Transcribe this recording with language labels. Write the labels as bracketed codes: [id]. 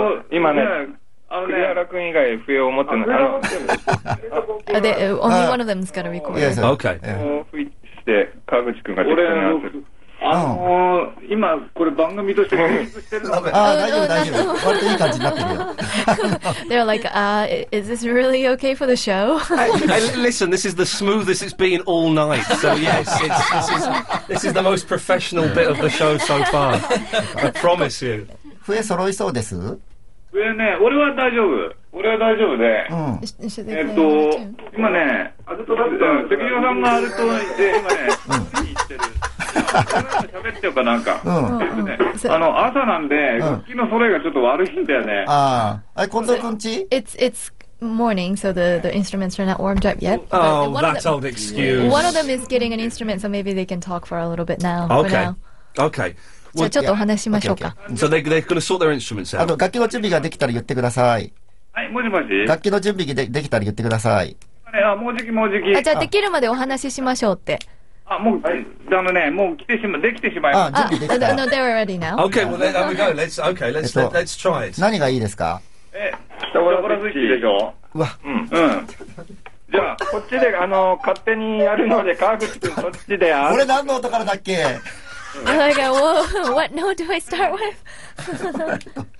[ja] 今ね、栗原くん以外笛を持ってない。 [en] Only one of them's got a recorder. Yes, okay. [ja] 吹いて、川口くんが適当に合わせる。今これ番組として大丈夫大丈夫割といい感じになってるよ。 [en] They're like, is this really okay for the show? Listen, this is the smoothest it's been all night. So yes, this is the most professional bit of the show so far. I promise you. [ja] 笛揃いそうです？笛ね、俺は大丈夫で。今ね、アルトだった。関根さんがアルトで今ね、何言ってる？喋ってよかなんか、朝なんで、月の空がちょっと悪いんだよね。あ、近藤くんち？ [en] It's morning, so the instruments are not warmed up yet. Oh, that's old excuse. One of them is getting an instrument, so maybe they can talk for a little bit now. Okay. Okay. [ja] じゃあちょっとお話しましょうか。 [en] So they're going to sort their instruments out. [ja] 楽器の準備ができたら言ってください。はい、もしもし。楽器の準備ができたら言ってください。もうじき。じゃあできるまでお話ししましょうって。もう来てしまいました。 [en] They're ready now. Okay, well, there we go. Let's try it. [ja] 何がいいですか？北村スイッチでしょ？じゃあ、こっちで勝手にやるので、川口君、そっちでやる。俺、何の音からだっけ？ [en] Like, whoa, what note do I start with?